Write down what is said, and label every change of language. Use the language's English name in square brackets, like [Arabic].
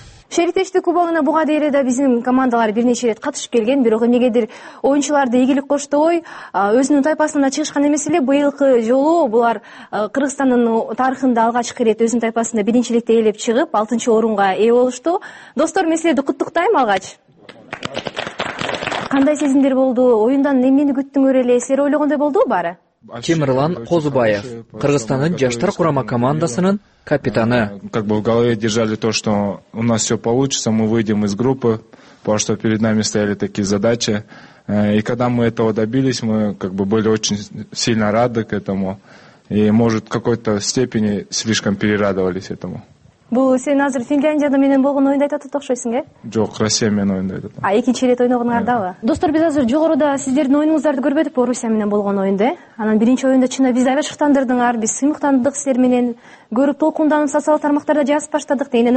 [Kyrgyz] Черетештик кубогуна буга дейин да биздин командалар бир нече ирет катышып келген, бирок эмнегедир оюнчуларды ийгилик коштой, өзүнүн тайпасына чыгышкан эмес эле, быйылкы жолу булар Кыргызстандын тарыхында алгачкы ирет өзүнүн тайпасына биринчиликте ээлеп чыгып, 6-чы орунга ээ болушту. Достор, мен силерди куттуктайм алгач. Кандай сезимдер болду? Оюндан эмнени күттүңөр эле? Силер ойлогондой болдубу баары? Темирлан Козубаев, Кыргызстандын жаштар курама командасынын капитаны. [Russian] Как бы в голове держали то, что у нас все получится, мы выйдем из группы, потому что перед нами стояли такие задачи. И когда мы этого добились, мы как бы были очень сильно рады к этому. И, может, в какой-то степени слишком перерадовались этому. [Kyrgyz] Бул сен азыр Финляндияда менен болгон оюнда айтып атат окшойсуң, э? Жок, Россия менен оюнда айтып атам. А экинчи ирет ойногондордабы? Достор, биз азыр жогоруда сиздердин оюнуңуздарды көрбөдүк, Орусия менен болгон оюнда, э? Анан биринчи оюнда чындап биз айбаштандырдыңар, биз сыймыктандык силер менен, көрүп толкунданып социалдык тармактарда жазып баштадык дегенден.